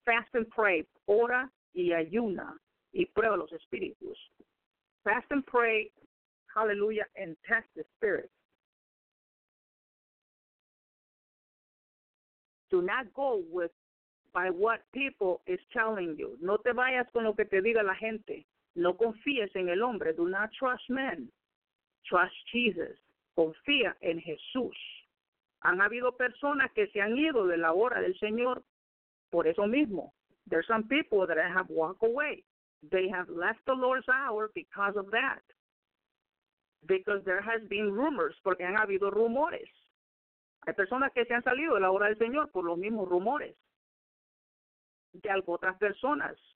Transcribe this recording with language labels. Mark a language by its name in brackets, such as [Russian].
[English] Fast and pray. [Spanish] Ora y ayuna. Y prueba los espíritus. [English] Fast and pray. Hallelujah. And test the spirit. Do not go by what people is telling you. [Spanish] No te vayas con lo que te diga la gente. No confíes en el hombre. [English] Do not trust men. Trust Jesus. [Spanish] Confía en Jesús. Han habido personas que se han ido de la hora del Señor por eso mismo. [English] There's some people that have walked away. They have left the Lord's hour because of that. Because there has been rumors, [Spanish] porque han habido rumores. Hay personas que se han salido de la hora del Señor por los mismos rumores de otras personas.